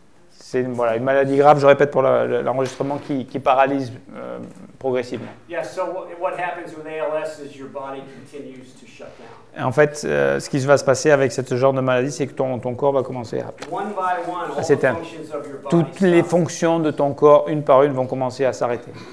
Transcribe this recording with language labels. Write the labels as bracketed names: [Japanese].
[French] C'est voilà, une maladie grave, je répète pour l'enregistrement, qui paralyse progressivement. [English] Yeah, so what happens with ALS is your body continues to shut down. [French] Et en fait, ce qui va se passer avec ce genre de maladie, c'est que ton corps va commencer à s'éteindre. Toutes les fonctions de ton corps, une par une, vont commencer à s'arrêter.